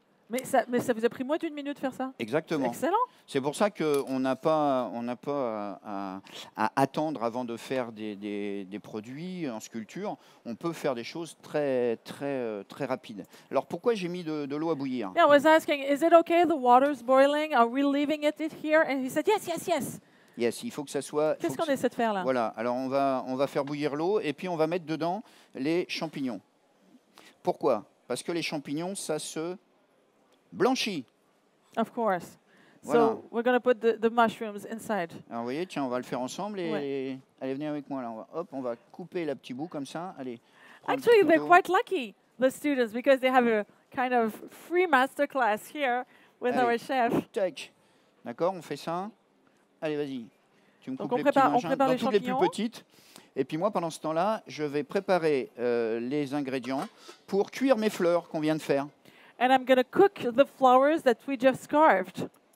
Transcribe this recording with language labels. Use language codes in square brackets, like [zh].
[fr] Mais ça vous a pris moins d'une minute de faire ça ? Exactement. C'est excellent. C'est pour ça qu'on n'a pas, à attendre avant de faire des produits en sculpture. On peut faire des choses très, très, très rapides. Alors, pourquoi j'ai mis de l'eau à bouillir ? [en] Yeah, I was asking, is it okay, the water's boiling? Are we leaving it here? And he said, yes, yes, yes. [fr] Yes, il faut que ça soit... Qu'est-ce qu'on essaie de faire, là ? Voilà, alors on va faire bouillir l'eau et puis on va mettre dedans les champignons. Pourquoi ? Parce que les champignons, ça se... blanchi. [en] Of course. Voilà. So we're going to put the mushrooms inside. [fr] Alors vous voyez, tiens, on va le faire ensemble et allez venir avec moi là, on va couper la petite boue comme ça. Allez. [en] Actually, they're quite lucky, the students, because they have a kind of free master class here with our chef. [fr] Tac. D'accord, on fait ça. Allez, vas-y. Tu me coupes les petits mangins, dans toutes les plus petites. Et puis moi, pendant ce temps-là, je vais préparer les ingrédients pour cuire mes fleurs qu'on vient de faire. [en] And I'm going to cook the flowers that we just carved.